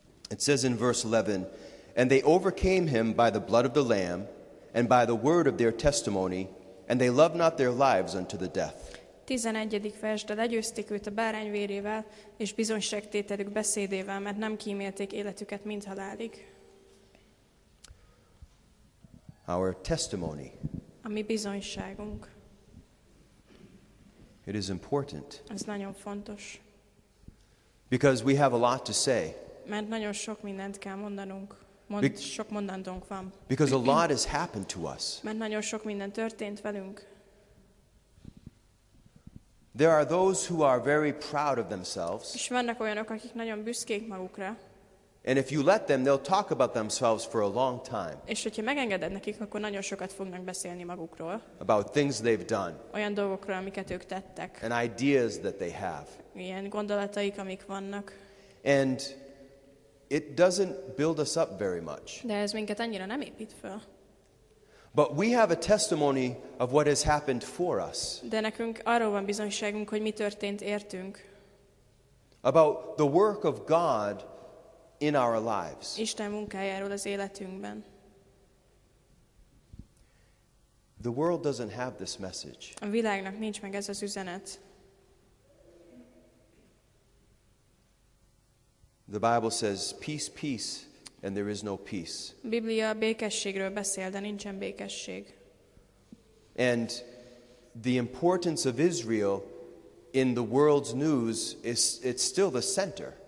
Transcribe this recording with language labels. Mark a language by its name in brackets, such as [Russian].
[English] It says in verse 11, "And they overcame him by the blood of the Lamb, and by the word of their testimony, and they loved not their lives unto the death." [Hungarian] 11. vers, de legyőzték őt a bárány vérével, és bizonyságtételük beszédével, mert nem kímélték életüket, mint halálig. [English] Our testimony. [Hungarian] A mi bizonyságunk. [English] It is important. [Hungarian] Ez nagyon fontos. [English] Because we have a lot to say. [Hungarian] Mert nagyon sok mindent kell mondanunk. Sok mondandónk van. [English] Because a lot has happened to us. [Hungarian] Mert nagyon sok minden történt velünk. [English] There are those who are very proud of themselves. [Hungarian] És vannak olyanok, akik nagyon büszkék magukra. [English] And if you let them, they'll talk about themselves for a long time. [Hungarian] És hogyha megengeded nekik, akkor nagyon sokat fognak beszélni magukról. [English] About things they've done. [Hungarian] Olyan dolgokról, amiket ők tettek. [English] And ideas that they have. [Hungarian] Ilyen gondolataik, amik vannak. [English] And it doesn't build us up very much. [Hungarian] De ez minket annyira nem épít föl. [English] But we have a testimony of what has happened for us. [Hungarian] De nekünk arról van bizonyságunk, hogy mi történt értünk. [English] About the work of God in our lives. [Hungarian] Isten munkájáról az életünkben. [English] The world doesn't have this message. [Hungarian] A világnak nincs meg ez az üzenet. [English] The Bible says, "Peace, peace, and there is no peace." [Hungarian] Biblia békességről beszél, de nincsen békesség. [English] And the importance of Israel in the world's news is—it's still the center.